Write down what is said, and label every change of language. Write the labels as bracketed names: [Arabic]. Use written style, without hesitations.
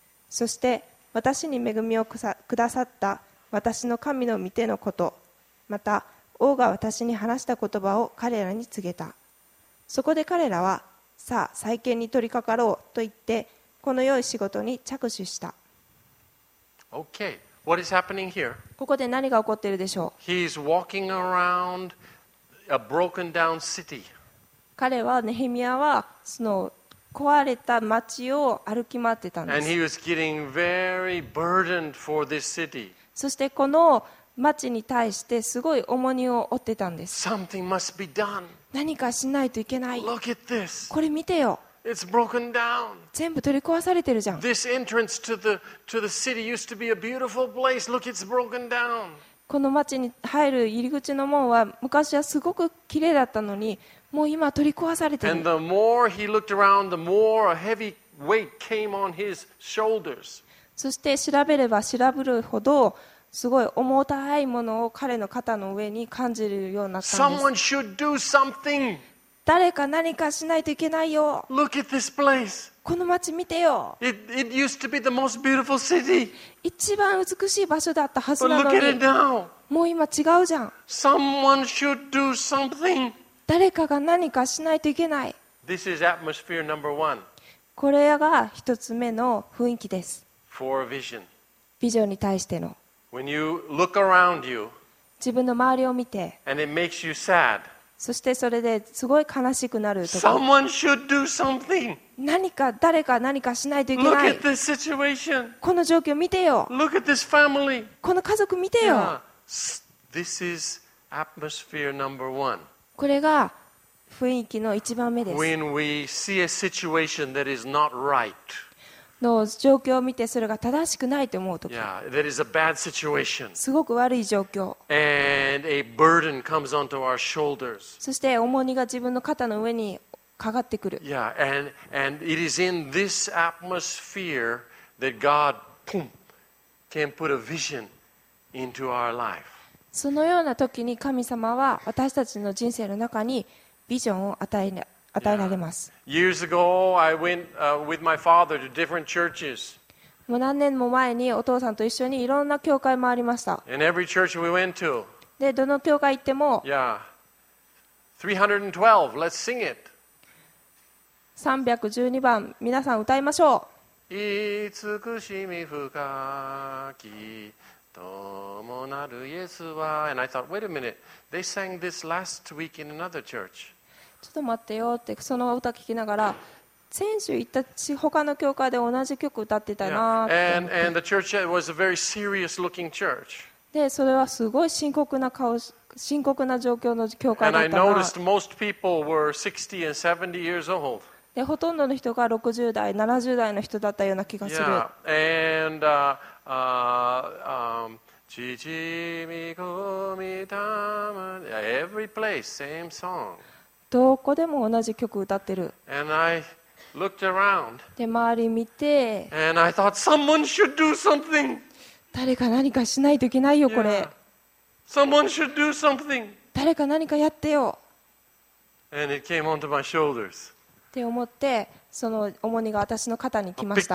[Japanese] そして私に恵みをくださった私の神の御手のこと、また王が私に話した言葉を彼らに告げた。そこで彼らは、さあ再建に取り掛かろうと言って、この良い仕事に着手した。 [English] OK。 What is happening here? [Japanese] ここで何が起こっているでしょう。 [English] He is walking around a broken down city. [Japanese] 彼はネヘミヤはその壊れた町を歩き回ってたんです。 [English] And he was getting very burdened for this city. [Japanese] そしてこの町に対してすごい重荷を負ってたんです。 [English] Something must be done. [Japanese] 何かしないといけない。 [English] Look at this. [Japanese] これ見てよ。 [English] It's broken down. [Japanese] 全部取り壊されてるじゃん。 [English] This entrance to the city used to be a beautiful place. Look, it's broken down. [Japanese] この町に入る入り口の門は昔はすごく綺麗だったのに、もう今取り壊されてる。 [English] And the more he looked around, the more a heavy weight came on his shoulders. [Japanese] そして調べれば調べるほどすごい重たいものを彼の肩の上に感じるようになったんです。 [English] Someone should do something. [Japanese] 誰か何かしないといけないよ。 [English] Look at this place. [Japanese] この町見てよ。 [English] It used to be the most beautiful city. [Japanese] 一番美しい場所だったはずなのに。 [English] But look at it now. [Japanese] もう今違うじゃん。 [English] Someone should do something. [Japanese] 誰かが何かしないといけない。 [English] This is atmosphere number one. [Japanese] これが一つ目の雰囲気です。 [English] For vision. [Japanese] ビジョンに対しての。 [English] When you look around you, [Japanese] 自分の周りを見て、 [English] and it makes you sad. [Japanese] そしてそれですごい悲しくなるとか。 [English] Someone should do something. [Japanese] 何か誰か何かしないといけない。 [English] Look at this situation. [Japanese] この状況見てよ。 [English] Look at this family. [Japanese] この家族見てよ。 Yeah. [English] This is atmosphere number one. [Japanese] これが雰囲気の一番目です。 [English] When we see a situation that is not right. [Japanese] の状況を見てそれが正しくないと思うとか。 [English] Yeah, that is a bad situation. [Japanese] すごく悪い状況。 [English] And a burden comes onto our shoulders. [Japanese] そして重荷が自分の肩の上にかかってくる。 [English] Yeah, and it is in this atmosphere that God, boom, can put a vision into our life. [Japanese] そのような時に神様は私たちの人生の中にビジョンを与えね。与えられます。 [English] Years ago, I went with my father to different churches. [Japanese] もう何年も前にお父さんと一緒にいろんな教会回りました。 [English] And every church we went to. [Japanese] で、どの教会行っても。 [English] Yeah. 312. Let's sing it. [Japanese] 312番、皆さん歌いましょう。慈しみ深き友なるイエスは。 [English] And I thought, wait a minute. They sang this last week in another church. [Japanese] ちょっと待ってよってその歌聞きながら先週行ったち他の教会で同じ曲歌ってたなって。 [English] And the church was a very serious looking church. [Japanese] でそれはすごい深刻な顔深刻な状況の教会だったな。 [English] And I noticed most people were 60 and 70 years old. [Japanese] でほとんどの人が60代70代の人だったような気がする。 [English] Yeah. And chichi mikomi tama. Every place same song. [Japanese] どこでも同じ曲歌ってる。 [English] And I looked around. [Japanese] で周り見て。 [English] And I thought someone should do something. [Japanese] 誰か何かしないといけないよこれ。 [English] Someone should do something. [Japanese] 誰か何かやってよ。 [English] And it came onto my shoulders. [Japanese] って思ってその重荷が私の肩に来ました。